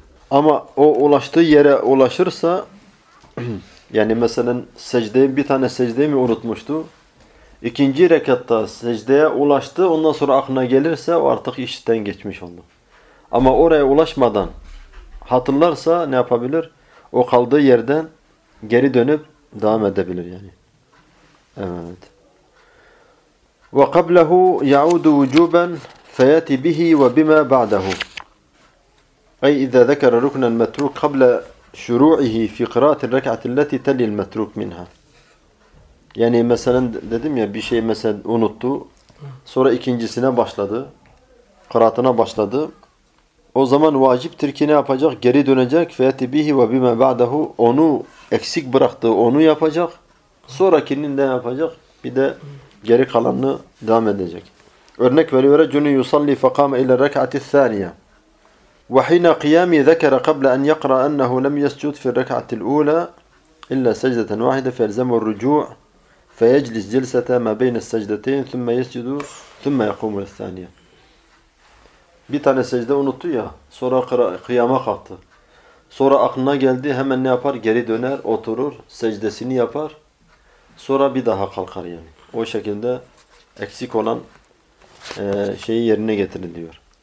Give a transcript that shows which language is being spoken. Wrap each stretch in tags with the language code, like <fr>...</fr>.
<tr>Ama o ulaştığı yere ulaşırsa, yani mesela secdeyi, bir tane secdeyi mi unutmuştu? İkinci rekatta secdeye ulaştı, ondan sonra aklına gelirse o artık işten geçmiş oldu. Ama oraya ulaşmadan hatırlarsa ne yapabilir? O kaldığı yerden geri dönüp devam edebilir yani. Evet.</tr> <ar>وَقَبْلَهُ يَعُودُ وُجُوبًا فَيَتِ بِهِ وَبِمَا بَعْدَهُ أي إذا ذكر ركن المتروك قبل شروعه في قراءة الركعة التي تلي المتروك منها.</ar> <tr>Yani mesela dedim ya, bir şey mesela unuttu, sonra ikincisine başladı, kıraatına başladı. O zaman vaciptir ki ne yapacak? Geri dönecek.</tr> <ar>فَيَتِ بِهِ وَبِمَا بَعْدَهُ.</ar> <tr>Onu eksik bıraktığı onu yapacak. Sonrakinin ne yapacak? Bir de geri kalanını devam edecek. Örnek veriyor.</tr> <ar>جُنُ يُصَلِّ فَقَامَ إِلَى الرَّكْعَةِ الثَّانِيَةِ وحين قيامي ذكر قبل أن يقرأ أنه لم يسجد في الركعة الأولى إلا سجدة واحدة فيلزم الرجوع فيجلس جلسة ما بين السجدتين ثم يسجد ثم يقوم للثانية.</ar> <tr>Bir tane secde unuttu ya, sonra kıyama kalktı. Sonra aklına geldi, hemen ne yapar? Geri döner, oturur, secdesini yapar. Sonra bir daha kalkar yani. O şekilde eksik olan şeyi yerine getirin diyor.</tr>